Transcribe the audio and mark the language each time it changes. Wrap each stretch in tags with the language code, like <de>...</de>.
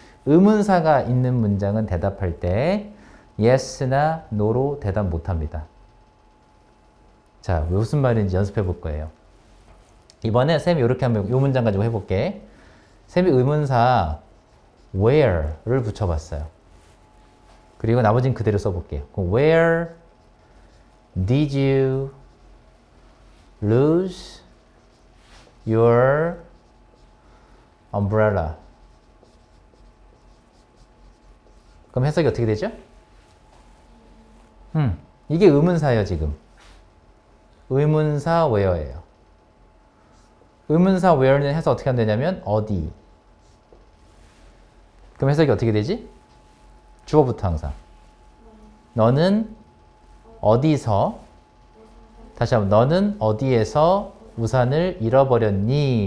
<ko>의문사가 있는 문장은 대답할 때 yes나 no로 대답 못 합니다. 자, 무슨 말인지 연습해 볼 거예요. 이번에 쌤이 이렇게 한번 이 문장 가지고 해볼게. 쌤이 의문사 where를 붙여봤어요. 그리고 나머지는 그대로 써볼게요. Where</ko> <en>Did you lose your umbrella?</en> <ko>그럼 해석이 어떻게 되죠? 이게 의문사예요, 지금. 의문사 where예요. 의문사 where는 해석 어떻게 하면 되냐면 어디. 그럼 해석이 어떻게 되지? 주어부터 항상. 너는 어디서 다시 한번 너는 어디에서 우산을 잃어버렸니?</ko>